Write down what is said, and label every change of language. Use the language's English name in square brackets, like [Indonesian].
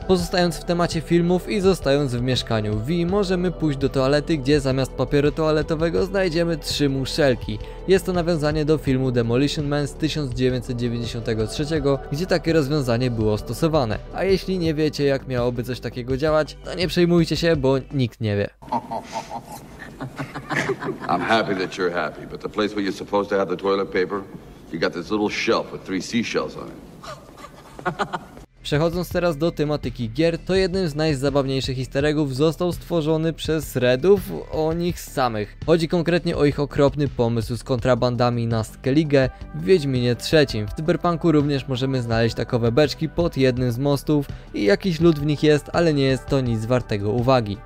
[Polish] Pozostając w temacie filmów i zostając w mieszkaniu V, możemy pójść do toalety, gdzie zamiast papieru toaletowego znajdziemy trzy muszelki. Jest to nawiązanie do filmu Demolition Man z 1993, gdzie takie rozwiązanie było stosowane. A jeśli nie wiecie, jak miałoby coś takiego działać, to nie przejmujcie się, bo nikt nie wie. [English] I'm happy that you're happy, but the place where you're supposed to have the toilet paper, you got this little shelf with three seashells on it. [Polish] Przechodząc teraz do tematyki gier, to jednym z najzabawniejszych easter eggów został stworzony przez Redów o nich samych. Chodzi konkretnie o ich okropny pomysł z kontrabandami na Skellige w Wiedźminie III. W Cyberpunku również możemy znaleźć takowe beczki pod jednym z mostów i jakiś lud w nich jest, ale nie jest to nic wartego uwagi.